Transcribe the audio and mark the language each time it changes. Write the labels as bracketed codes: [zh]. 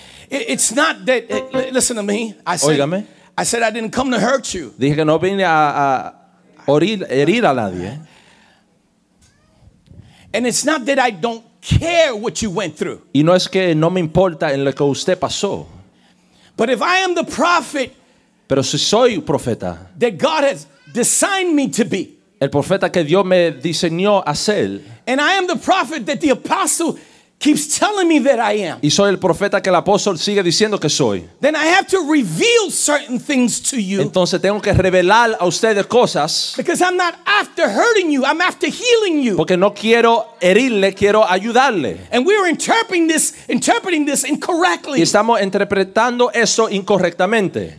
[en] It's not that, listen to me. [es] Óigame. [en] I said I didn't come to hurt you. [es] Dije que no vine a herir a nadie. [en] And it's not that I don't care what you went through. [es] Y no es que no me importa en lo que usted pasó. [en] But if I am the prophet, [es] pero si soy profeta, [en] that God has designed me to be, [es] el profeta que Dios me diseñó a ser, [en] and I am the prophet that the apostle keeps telling me that I am, [es] y soy el profeta que el apóstol sigue diciendo que soy, [en] then I have to reveal certain things to you. [es] Entonces tengo que revelar a ustedes cosas. [en] Because I'm not after hurting you, I'm after healing you. [es] Porque no quiero herirle, quiero ayudarle. [en] And we are interpreting this incorrectly. [es] Y estamos interpretando esto incorrectamente.